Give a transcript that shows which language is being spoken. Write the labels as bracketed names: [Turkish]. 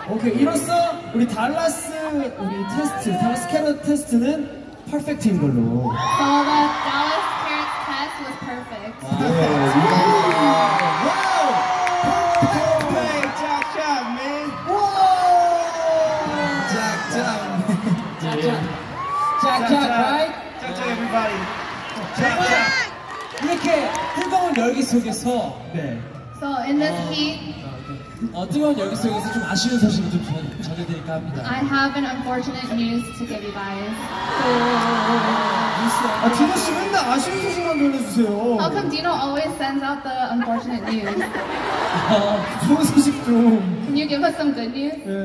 [Korean] Okay, 이로써 우리 달라스 우리 테스트 달라스 캐럿 테스트는 퍼펙트인 걸로. [English] So the Dallas carrot test was perfect. Wow! Perfect, jack jack man. Whoa! Jack jack. Jack jack right? Jack jack everybody. Jack jack. [Korean] 이렇게 뜨거운 열기 속에서 네. [English] So in this heat [Korean] 뜨거운 열기 속에서 좀 아쉬운 소식을 좀 전해드릴까 합니다. [English] I have an unfortunate news to give you guys. [Korean] 진호 씨 맨날 아쉬운 소식만 전해주세요. [English] How come Dino always sends out the unfortunate news? [Korean] 좋은 소식 좀. [English] Can you give us some good news?